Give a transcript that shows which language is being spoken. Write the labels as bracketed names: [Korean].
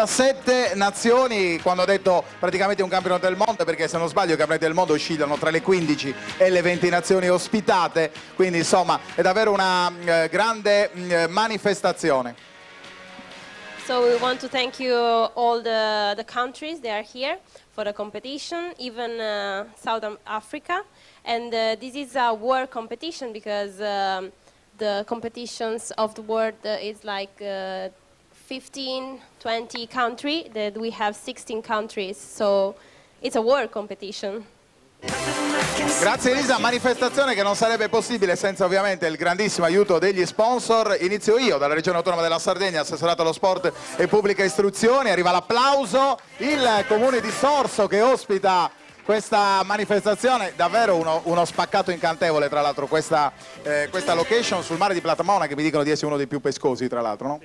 [Italian] 17 nazioni, quando ho detto praticamente un campionato del mondo, perché se non sbaglio i campionati del mondo oscillano tra le 15 e le 20 nazioni ospitate, quindi insomma è davvero una grande manifestazione. [English] So we want to thank you all the countries that are here for the competition, even South Africa. And this is a world competition because the competitions of the world is like 15-20 countries, that we have 16 countries, so it's a world competition. [Italian] Grazie Elisa, manifestazione che non sarebbe possibile senza ovviamente il grandissimo aiuto degli sponsor. Inizio io dalla Regione Autonoma della Sardegna, assessorato allo sport e pubblica istruzione. Arriva l'applauso, il comune di Sorso che ospita questa manifestazione, davvero uno spaccato incantevole, tra l'altro questa location sul mare di Platamona, che mi dicono di essere uno dei più pescosi, tra l'altro, no?